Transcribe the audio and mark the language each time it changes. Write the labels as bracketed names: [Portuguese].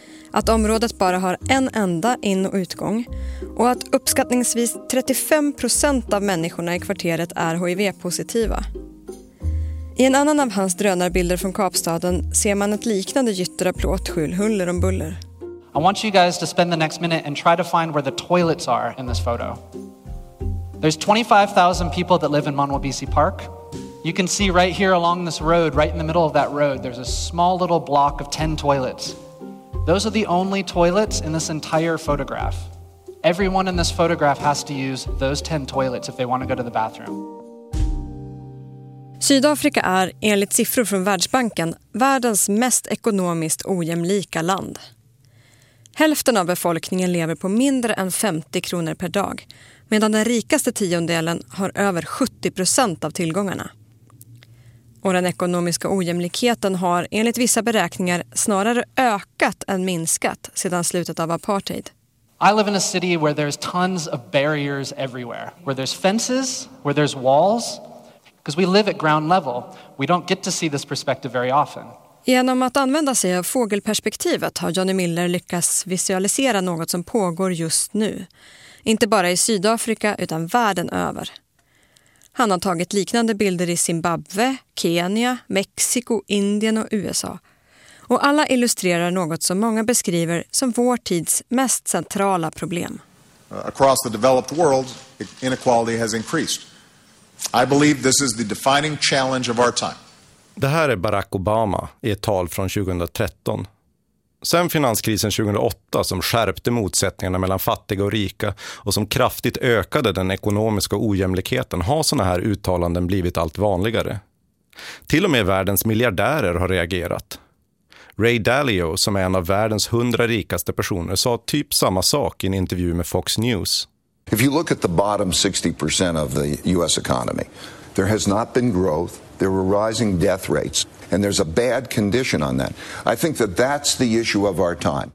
[Swedish] Att området bara har en enda in- och utgång och att uppskattningsvis 35% av människorna i kvarteret är HIV-positiva. I en annan av hans drönarbilder från Kapstaden ser man ett liknande gytter av plåtskjul huller om buller. [English] I want you guys to spend the next minute and try to find where the toilets are in this photo. There's 25,000 people that live in Monwabisi Park. You can see right here along this road, right in the middle of that road, there's a small little block of 10 toilets. Those are the only toilets in this entire photograph. Everyone in this photograph has to use those 10 toilets if they want to go to the bathroom. [Swedish] Sydafrika är, enligt siffror från Världsbanken, världens mest ekonomiskt ojämlika land. Hälften av befolkningen lever på mindre än 50 kronor per dag, medan den rikaste tiondelen har över 70% av tillgångarna. Och den ekonomiska ojämlikheten har, enligt vissa beräkningar, snarare ökat än minskat sedan slutet av apartheid. [English] I live in a city where there's tons of barriers everywhere, where there's fences, where there's walls. Because we live at ground level, we don't get to see this perspective very often. [Swedish] Genom att använda sig av fågelperspektivet har Johnny Miller lyckats visualisera något som pågår just nu. Inte bara i Sydafrika utan världen över. Han har tagit liknande bilder i Zimbabwe, Kenya, Mexiko, Indien och USA. Och alla illustrerar något som många beskriver som vår tids mest centrala problem. [English] Across the developed world, inequality has increased. I believe this is the defining challenge of our time. [Swedish] Det här är Barack Obama i ett tal från 2013. Sen finanskrisen 2008 som skärpte motsättningarna mellan fattiga och rika och som kraftigt ökade den ekonomiska ojämlikheten har såna här uttalanden blivit allt vanligare. Till och med världens miljardärer har reagerat. Ray Dalio, som är en av världens 100 rikaste personer, sa typ samma sak i en intervju med Fox News. [English] If you look at the bottom 60% of the US economy, there has not been growth, there were rising death rates, and there's a bad condition on that. I think that that's the issue of our time.